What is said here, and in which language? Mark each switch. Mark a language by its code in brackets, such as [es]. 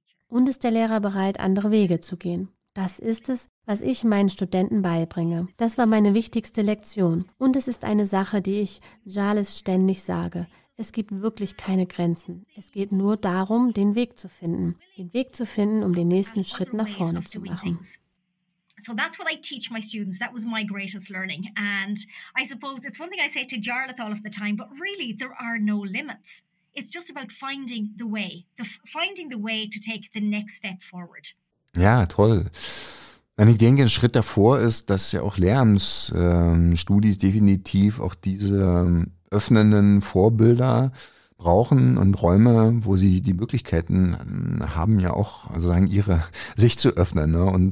[de] Und ist der Lehrer bereit, andere Wege zu gehen? Das ist es, was ich meinen Studenten beibringe. Das war meine wichtigste Lektion. Und es ist eine Sache, die ich Jarlis ständig sage. Es gibt wirklich keine Grenzen. Es geht nur darum, den Weg zu finden. Den Weg zu finden, um den nächsten Schritt nach vorne zu machen. [en] So that's what I teach my students. That was my greatest learning. And I suppose it's one thing I say to Jarlis all of the time, but really there are no limits. It's just about finding the way. Finding the way to take the next step forward. [de] Ja, toll. Ich denke, ein Schritt davor ist, dass ja auch Lehramtsstudis definitiv auch diese öffnenden Vorbilder brauchen und Räume, wo sie die Möglichkeiten haben, ja auch sozusagen ihre sich zu öffnen, ne?